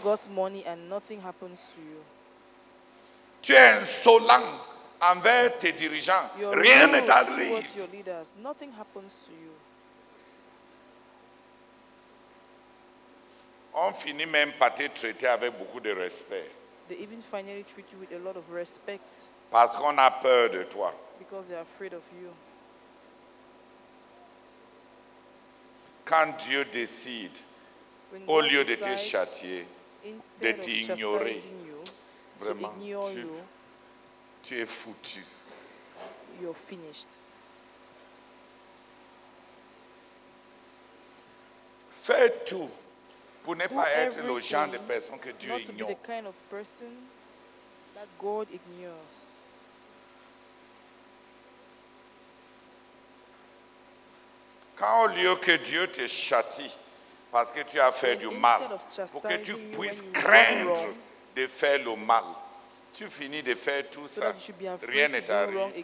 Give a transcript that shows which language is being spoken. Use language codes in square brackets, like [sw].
[en] God's money and nothing happens to you. [fr] Tu es insolent envers tes dirigeants. Rien ne t'arrive. [en] Towards your leaders. Nothing happens to you. [fr] On finit même par te traiter avec beaucoup de respect. [en] They even finally treat you with a lot of respect. [fr] Parce qu'on a peur de toi. [en] Because they are afraid of you. [fr] Quand Dieu décide, au lieu de te châtier, de t'ignorer, vraiment, tu es foutu. [en] You're finished. [fr] Fais tout pour ne pas être le genre de personne que Dieu ignore. [en] Not to be the kind of person that God ignores. [fr] Quand au lieu que Dieu te châtie parce que tu as fait du mal, pour que tu puisses craindre de faire le mal, tu finis de faire tout ça, rien ne t'arrive.